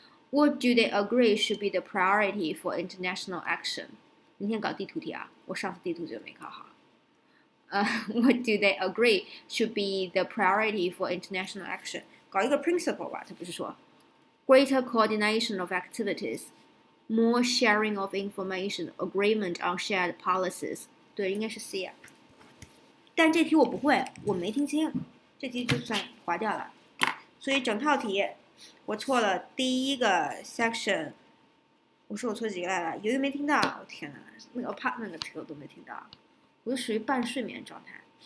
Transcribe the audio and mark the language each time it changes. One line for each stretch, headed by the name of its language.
English: What do they agree should be the priority for international action?
Chinese: 明天搞地图题啊，我上次地图就没考好。
English: What do they agree should be the priority for international action?
Chinese: 搞一个 principle 吧，他不是说
English: greater coordination of activities, more sharing of information, agreement on shared policies.
Chinese: 对，应该是 C。但这题我不会，我没听清，这题就算划掉了。所以整套题我错了第一个 section。我说我错几个来了，由于没听到，我天哪，那个 apartment 的题我都没听到，我就属于半睡眠状态。